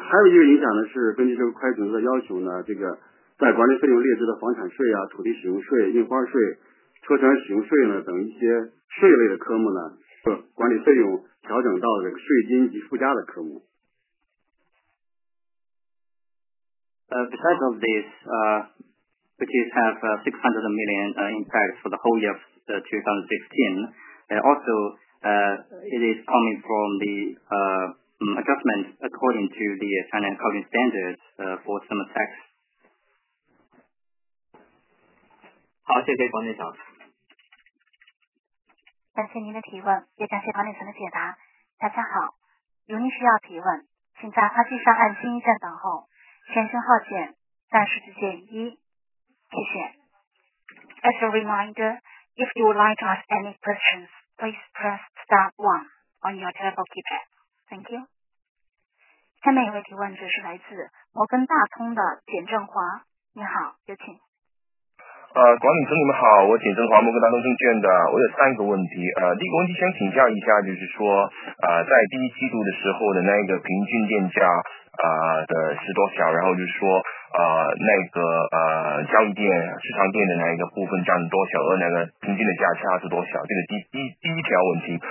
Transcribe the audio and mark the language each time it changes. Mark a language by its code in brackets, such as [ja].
[zh] 还有一个影响呢是根据这个会计准则的要求呢，这个在管理费用列支的房产税啊、土地使用税、印花税、车船使用税呢等一些税类的科目呢，是管理费用调整到这个税金及附加的科目。 [en] Besides of this, which is have 600 million impact for the whole year of 2016, also it is coming from the adjustment according to the China accounting standards for some tax. [zh] 好，谢谢管理层。感谢您的提问，也感谢管理层的解答。大家好，如您需要提问，请在花机上按星一键等候。先生号键再数字键一，谢谢。 [en] As a reminder, if you would like to ask any questions, please press star 1 on your telephone keypad. Thank you. [zh] 下面一位提问者是来自摩根大通的简正华，你好，有请。管理层你们好，我简正华，摩根大通证券的，我有三个问题。第一个问题想请教一下，就是说在第一季度的时候的那个平均电价的是多少，然后就是说那个交易电市场电的那一个部分占多少，而那个平均的价差是多少，这个第一条问题。